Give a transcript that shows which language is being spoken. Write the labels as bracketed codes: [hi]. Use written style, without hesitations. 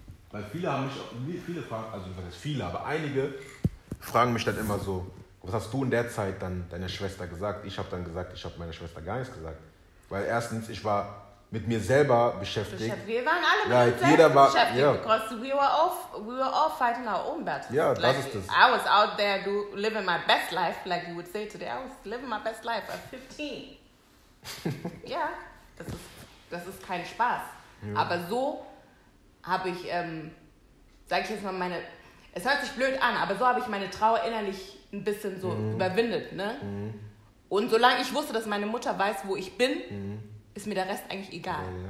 [de] weil viele haben mich, viele fragen, also viele, aber einige fragen mich dann immer so, was hast du in der Zeit dann deiner Schwester gesagt? Ich habe dann gesagt, ich habe meiner Schwester gar nichts gesagt. Weil erstens, ich war mit mir selber beschäftigt. Wir waren alle mit uns selber beschäftigt. [en] Yeah. Because we were all fighting our own battles. [de] Ja, [en] yeah, like, [de] das ist [en] das. I was out there living my best life, like you would say today. I was living my best life at 15. [de] Ja, yeah, das ist kein Spaß. Yeah. Aber so habe ich, sag ich jetzt mal meine, es hört sich blöd an, aber so habe ich meine Trauer innerlich ein bisschen so überwindet. Ne? Mm. Und solange ich wusste, dass meine Mutter weiß, wo ich bin, ist mir der Rest eigentlich egal.